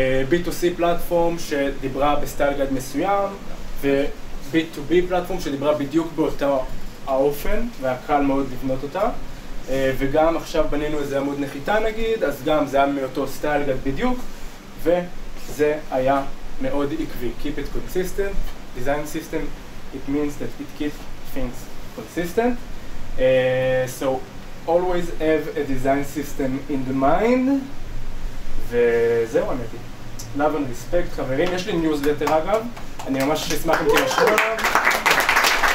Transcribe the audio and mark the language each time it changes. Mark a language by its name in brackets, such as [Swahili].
[Hebrew] B2C פלטפורם שדיברה בסטייל גייד מסוים, ו-B2B פלטפורם שדיברה בדיוק באותו האופן, והיה קל מאוד לבנות אותה. וגם עכשיו בנינו איזה עמוד נחיתה נגיד, אז גם זה היה מאותו סטייל גייד בדיוק, וזה היה מאוד עקבי. [English] Keep it consistent, design system, it means that it keeps things consistent. So always have a design system in the mind. [Hebrew] וזהו, אמיתי. [English] Love and respect, [Hebrew] חברים. יש לי ניוזלטר אגב. אני ממש אשמח אם תירשמו עליו.